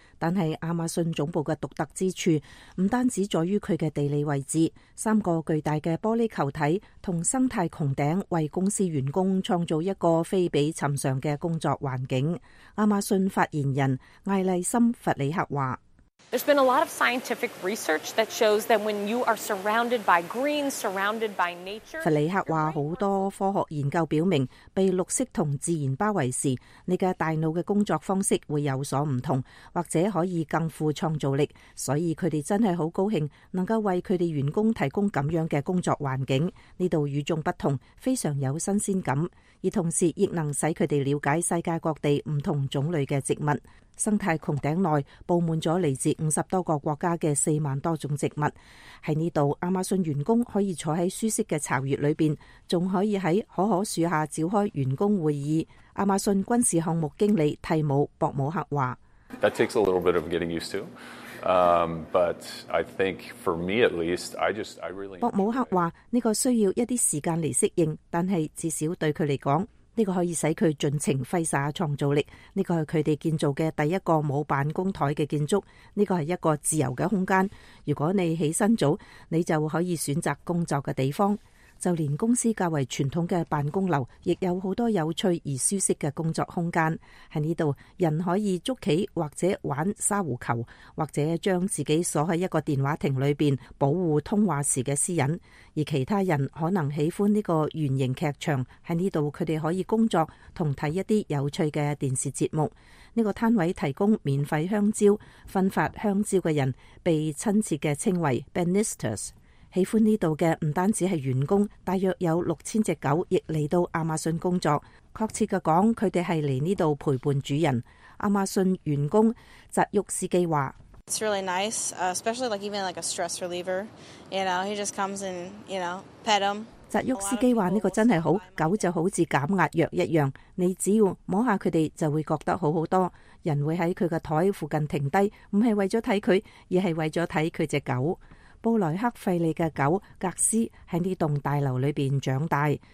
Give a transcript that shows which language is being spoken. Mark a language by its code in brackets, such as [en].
[zh] 但是亚马逊总部的独特之处不单止在于它的地理位置，三个巨大的玻璃球体和生态穹顶为公司员工创造一个非比寻常的工作环境。亚马逊发言人艾丽森·弗里克说， [en] There's been a lot of scientific research that shows that when you are surrounded by green, surrounded by nature. [zh] 弗里克说，很多科学研究表明，被绿色和自然包围时，你的大脑的工作方式会有所不同，或者可以更富创造力。所以他们真的很高兴能够为他们员工提供这样的工作环境，这里与众不同，非常有新鲜感，而同时亦能使他们了解世界各地不同种类的植物。生态穹顶内布满了来自50多个国家的40000多种植物。在这里，亚马逊员工可以坐在舒适的巢穴里面，还可以在可可树下召开员工会议。亚马逊军事项目经理蒂姆·博姆克说， [en] That takes a little bit of getting used to. But I think for me at least, I really. [zh] 博姆克说，这个需要一些时间来适应，但是至少对他来说，这个可以使他尽情挥洒创造力。这个是他们建造的第一个没有办公台的建筑，这个是一个自由的空间。如果你起身早，你就可以选择工作的地方。就连公司较为传统的办公楼亦有很多有趣而舒适的工作空间。在这里，人可以捉棋或者玩沙湖球，或者将自己锁在一个电话亭里面保护通话时的私隐。而其他人可能喜欢这个圆形剧场，在这里他们可以工作和看一些有趣的电视节目。这个摊位提供免费香蕉，分发香蕉的人被亲切地称为 Banisters。喜欢这里的不单止是员工，大约有6000只狗亦来到亚马逊工作。确切地说，他们是来这里陪伴主人。亚马逊员工泽玉斯基说， [en] It's really nice, especially like even like a stress reliever. You know, he just comes and, you know, pet him. [zh] 泽沃斯基说，这个真的好，狗就好像减压药一样，你只要摸下它们就会觉得好很多。人会在它的桌附近停下，不是为了看它，而是为了看它的狗。布莱克费利的狗格斯在这栋大楼里面长大。